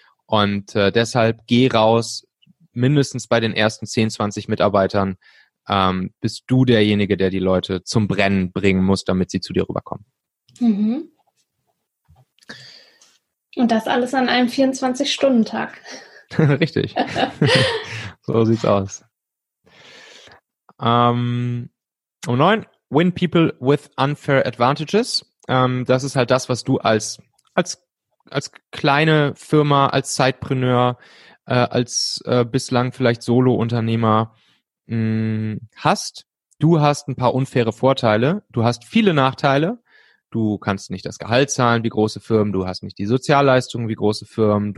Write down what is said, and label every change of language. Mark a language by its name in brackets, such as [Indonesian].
[German] Und deshalb geh raus, mindestens bei den ersten 10, 20 Mitarbeitern bist du derjenige, der die Leute zum Brennen bringen muss, damit sie zu dir rüberkommen. Mhm. Und das alles an einem 24-Stunden-Tag. Richtig. So sieht's aus. [English] Um 9, win people with unfair advantages. [German] Das ist halt das, was du als kleine Firma, als Zeitpreneur, als bislang vielleicht Solo-Unternehmer hast. Du hast ein paar unfaire Vorteile. Du hast viele Nachteile. Du kannst nicht das Gehalt zahlen wie große Firmen. Du hast nicht die Sozialleistungen wie große Firmen.